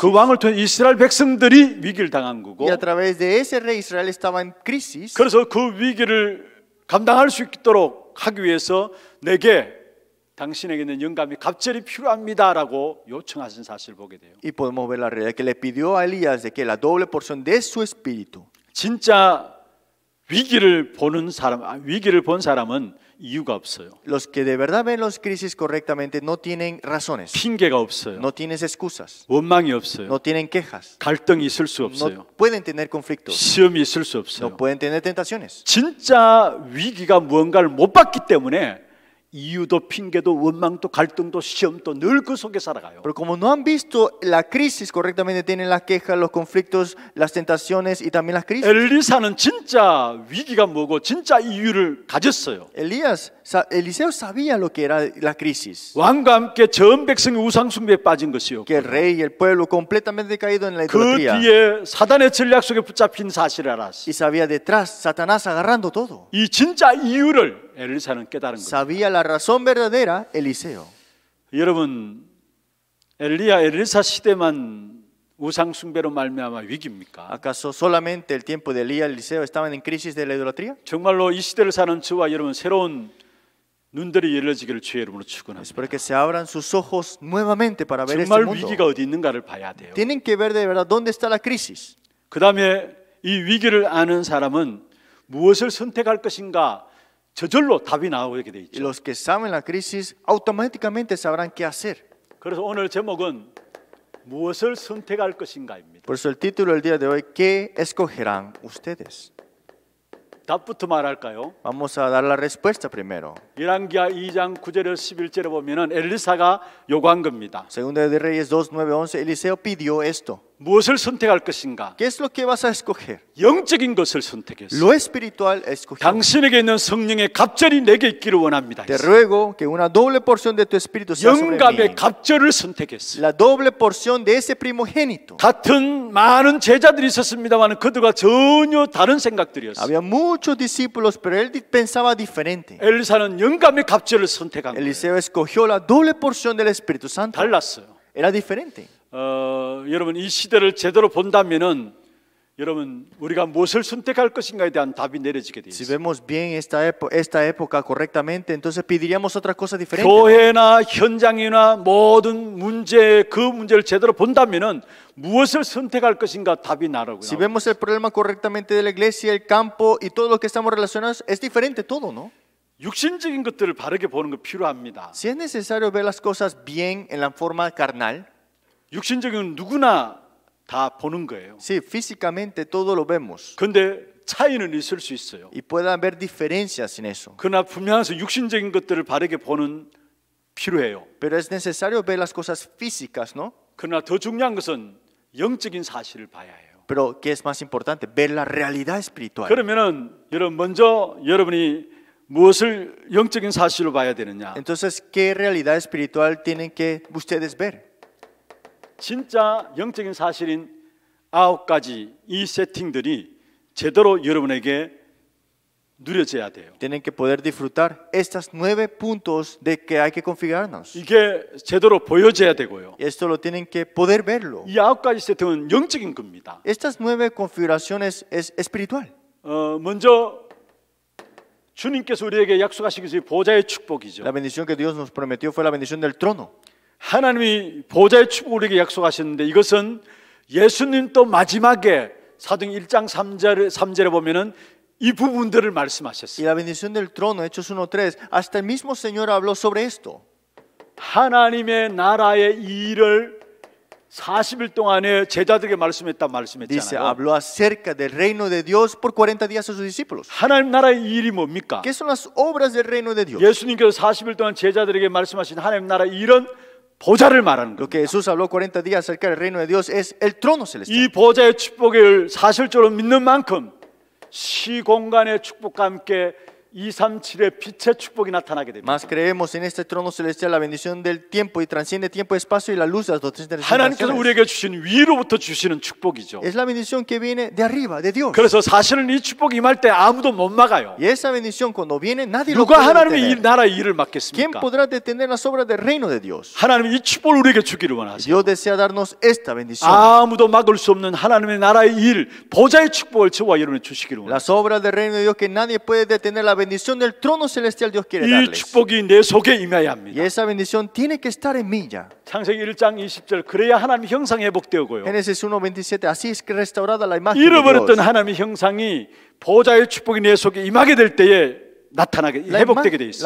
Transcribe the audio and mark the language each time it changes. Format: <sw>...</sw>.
<ko>그 왕을 통해 이스라엘 백성들이 위기를 당한 거고.</ko> <es>Y a través de ese rey Israel estaba en crisis.</es> <ko>그래서 그 위기를 감당할 수 있도록 하기 위해서 내게 당신에게는 영감이 갑절이 필요합니다라고 요청하신 사실 보게 돼요.</ko> <es>Y podemos ver la realidad que le pidió a Elías de que la doble porción de su espíritu.</es> <ko>진짜 위기를 보는 사람, 위기를 본 사람은 이유가 없어요.</ko> <es>Los que de verdad ven las crisis correctamente no tienen razones.</es> <ko>핑계가 없어요.</ko> <es>No tienes excusas.</es> <ko>원망이 없어요.</ko> <es>No tienen quejas.</es> <ko>갈등이 있을 수 없어요.</ko> <es>No pueden tener conflictos.</es> <ko>시험이 있을 수 없어요.</ko> <es>No pueden tener tentaciones.</es> <ko>진짜 위기가 무언가를 못 봤기 때문에 이유도 핑계도 원망도 갈등도 시험도 늘 그 속에 살아가요.</ko> <es>Pero como no han visto la crisis correctamente tienen las quejas, los conflictos, las tentaciones y también las crisis.</es> <ko>엘리사는 진짜 위기가 뭐고 진짜 이유를 가졌어요.</ko> <es>Eliseo sabía lo que era la crisis.</es> <ko>왕과 함께 전 백성이 우상숭배에 빠진 것이요.</ko> <es>Que el rey y el pueblo completamente caído en la idolatría.</es> <ko>그 뒤에 사단의 전략 속에 붙잡힌 사실을 알았어.</ko> <es>Y sabía detrás Satanás agarrando todo.</es> <ko>이 진짜 이유를 엘리사는 깨달은 거예요.</ko> <es>Sabía la razón verdadera, Eliseo.</es> <ko>여러분, 엘리야, 엘리사 시대만 우상 숭배로 말미암아 위기입니까?</ko> <es>¿Acaso solamente el tiempo de Elías y Eliseo estaban en crisis de la idolatría?</es> <ko>정말로 이 시대를 사는 저와 여러분 새로운 눈들이 열려지기를 주의 이름으로 축원합니다.</ko> <es>Espero que se abran sus ojos nuevamente para ver este mundo.</es> <ko>정말 위기가 어디 있는가를 봐야 돼요.</ko> <es>Tienen que ver de verdad dónde está la crisis.</es> <ko>그다음에 이 위기를 아는 사람은 무엇을 선택할 것인가 저절로 답이 나오게 돼 있죠.</ko> <es>Los que saben la crisis automáticamente sabrán qué hacer.</es> <ko>그래서 오늘 제목은 무엇을 선택할 것인가입니다.</ko> <es>Por eso el título del día de hoy ¿qué escogerán ustedes?</es> <ko>답부터 말할까요?</ko> <es>Vamos a dar la respuesta primero.</es> <ko>열왕기하 2장 9절에서 11절에 보면은 엘리사가 요구한 겁니다.</ko> <es>Segunda de Reyes 2:9, 11 Eliseo pidió esto.</es> <ko>무엇을 선택할 것인가?</ko> <es>¿Qué es lo que vas a escoger?</es> <ko>영적인 것을 선택했어.</ko> <es>Lo espiritual escogió.</es> <ko>당신에게 있는 성령의 갑절이 내게 있기를 원합니다.</ko> <es>Te ruego que una doble porción de tu espíritu sea sobre mí.</es> <ko>영감의 갑절을 선택했어.</ko> <es>La doble porción de ese primogénito.</es> <ko>같은 많은 제자들이 있었습니다만 그들과 전혀 다른 생각들이었어.</ko> <es>Había muchos discípulos, pero él pensaba diferente.</es> <ko>엘리사는 영감의 갑절을 선택한 거예요.</ko> <es>Eliseo escogió la doble porción del Espíritu Santo.</es> <ko>달랐어요.</ko> <es>Era diferente.</es> <ko>여러분 이 시대를 제대로 본다면은 여러분 우리가 무엇을 선택할 것인가에 대한 답이 내려지게 돼요.</ko> <es>Si vemos bien esta época correctamente, entonces pediríamos otra cosa diferente.</es> <ko>교회나 현장이나 모든 문제 그 문제를 제대로 본다면은 무엇을 선택할 것인가 답이 나라고요.</ko> <es>Si vemos el problema correctamente de la iglesia, el campo y todo lo que estamos relacionados es diferente todo, ¿no?</es> <ko>육신적인 것들을 바르게 보는 거 필요합니다.</ko> <es>Si es necesario ver las cosas bien en la forma carnal.</es> <ko>육신적인 누구나 다 보는 거예요.</ko> <es>Sí, físicamente todo lo vemos.</es> <ko>근데 차이는 있을 수 있어요.</ko> <es>Y puede haber diferencias en eso.</es> <ko>그러나 분명해서 육신적인 것들을 바르게 보는 필요해요.</ko> <es>Pero es necesario ver las cosas físicas, ¿no?</es> <ko>그러나 더 중요한 것은 영적인 사실을 봐야 해요.</ko> <es>Pero qué es más importante, ver la realidad espiritual.</es> <ko>그러면은 여러분 먼저 여러분이 무엇을 영적인 사실로 봐야 되느냐?</ko> <es>Entonces, ¿qué realidad espiritual tienen que ustedes ver?</es> <ko>진짜 영적인 사실인 아홉 가지 이 세팅들이 제대로 여러분에게 누려져야 돼요.</ko> <es>Tienen que poder disfrutar estas nueve puntos de que hay que configurarnos.</es> <ko>이게 제대로 보여져야 되고요.</ko> <es>Esto lo tienen que poder verlo.</es> <ko>이 아홉 가지 세팅은 영적인 겁니다.</ko> <es>Estas nueve configuraciones es espiritual.</es> <ko>먼저 주님께서 우리에게 약속하신 것이 보좌의 축복이죠.</ko> <es>La bendición que Dios nos prometió fue la bendición del trono.</es> <ko>하나님이 보좌의 축복을 우리에게 약속하셨는데 이것은 예수님 또 마지막에 사도행 1장 3절에 보면은 이 부분들을 말씀하셨어요.</ko> <es>Y la bendición del trono, Hechos 1:3, hasta el mismo Señor habló sobre esto.</es> <ko>하나님의 나라의 일을 40일 동안에 제자들에게 말씀했다 말씀했잖아요.</ko> <es>Dice, habló acerca del reino de Dios por 40 días a sus discípulos.</es> <ko>하나님 나라의 일이 뭡니까?</ko> <es>¿Qué son las obras del reino de Dios?</es> <ko>예수님께서 40일 동안 제자들에게 말씀하신 하나님 나라의 일은 보좌를 말하는 거예요.</ko> <es>Lo que Jesús habló 40 días acerca del reino de Dios es el trono celestial.</es> <ko>이 보좌의 축복을 사실적으로 믿는 만큼 시공간의 축복과 함께 237의 빛의 축복이 나타나게 됩니다.</ko> <es>Más creemos en este trono celestial la bendición del tiempo y transciende tiempo, espacio y la luz de las 237.</es> <ko>하나님께서 우리에게 주신 위로부터 주시는 축복이죠.</ko> <es>Es la bendición que viene de arriba, de Dios.</es> <ko>그래서 사실은 이 축복이 임할 때 아무도 못 막아요.</ko> <es>Y esa bendición cuando viene nadie lo puede detener.</es> <ko>누가 하나님의 일, 나라의 일을 막겠습니까?</ko> <es>¿Quién podrá detener las obras del reino de Dios?</es> <ko>하나님이 이 축복을 우리에게 주기를 원하세요.</ko> <es>Dios desea darnos esta bendición.</es> <ko>아무도 막을 수 없는 하나님의 나라의 일, 보좌의 축복을 저와 여러분에게 주시기를 원하세요.</ko> <es>Las obras del reino de Dios que nadie puede detener la bendición del trono celestial Dios quiere darles.</es> <ko>이 축복이 내 속에 임해야 합니다.</ko> <es>Y esa bendición tiene que estar en mí ya.</es> <ko>창세기 1장 20절 그래야 하나님 형상 회복되고요.</ko> <es>Génesis 1:27 así es que restaurada la imagen.</es> <ko>잃어버렸던 하나님 형상이 보좌의 축복이 내 속에 임하게 될 때에 나타나게 회복되게 돼 있어.</ko>